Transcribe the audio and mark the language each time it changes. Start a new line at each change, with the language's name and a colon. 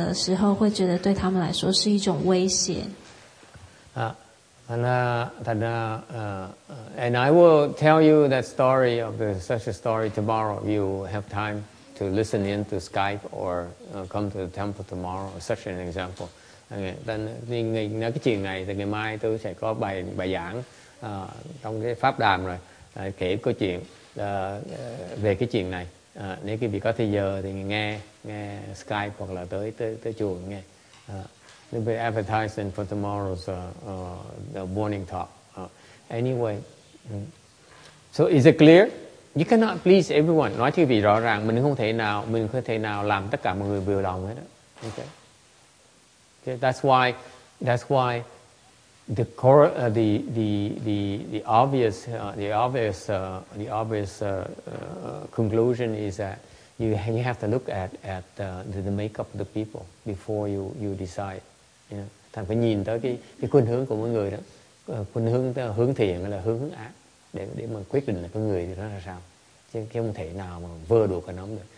Chinese: 所以说这些善良的人呢，他们刚刚看到佛的时候，因为他们自己本身是善的，所以他们也觉得佛同样的也是相貌非常好，非常吸引他们，非常的端庄端严的。但是如果他们是恶的话，他们会觉得看到佛的时候会觉得对他们来说是一种威胁。
English: And I will tell you that story of the, such a story tomorrow. You have time to listen in to Skype or come to the temple tomorrow. Such an example.
Vietnamese: Ngày mai tôi sẽ có bài giảng trong cái pháp đàm rồi kể câu chuyện về cái chuyện này. Nếu quý vị có thời giờ thì nghe Skype hoặc là tới chùa nghe.
English: They'll be advertising for tomorrow's the morning talk. Anyway, So is it clear? You cannot please everyone.
Vietnamese: Nói cho quý vị rõ ràng, mình không thể nào làm tất cả mọi người vừa lòng hết.
English: Okay. That's why the obvious conclusion is that you have to look at the makeup of the people before you decide. Yeah.
Vietnamese: Thành phải nhìn tới cái khuynh hướng của mỗi người đó, khuynh hướng hướng thiện hay là hướng ác để mà quyết định là con người thì nó ra sao, chứ không thể nào mà vơ đùa cả nóng được.